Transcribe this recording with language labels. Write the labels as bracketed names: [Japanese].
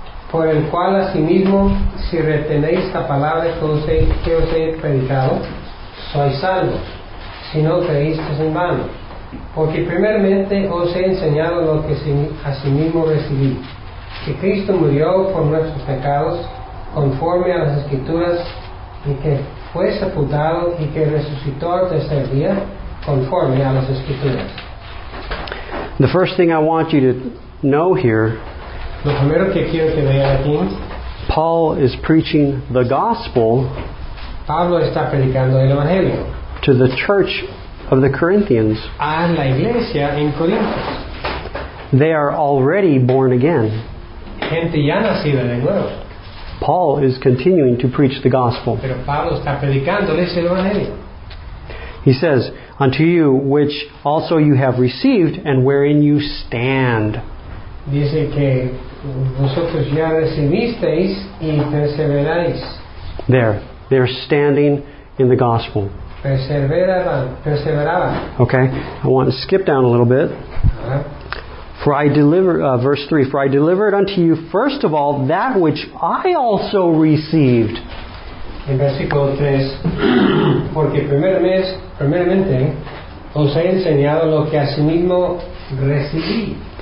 [Spanish] por el cual asimismo, si retenéis la palabra que os he predicado, sois salvos, si no creísteis en vano, porque primeramente os he enseñado lo que asimismo recibí, que Cristo murió por nuestros pecados, conforme a las Escrituras, y que fue sepultado y que resucitó al tercer día conforme a las Escrituras. [English] The first thing I want you to know here, [Spanish] lo primero que quiero que vean aquí, [English] Paul is preaching the gospel, [Spanish] Pablo está predicando el evangelio, [English] to the church of the Corinthians, [Spanish] a la iglesia en Corintios. [English] They are already born again. [Spanish] Gente ya nacida de nuevo. [English] Paul is continuing to preach the gospel. [Spanish] Pero Pablo está predicándoles el evangelio. [English] He says, unto you, which also you have received, and wherein you stand. [Spanish] Dice que vosotros ya recibisteis y perseveráis. [English] They're standing in the gospel. [Spanish] Perseveraban. [English] Okay, I want to skip down a little bit. Verse 3, for I delivered unto you first of all that which I also received. [Spanish] En versículo 3, porque primeramente os he enseñado lo que asimismo recibí.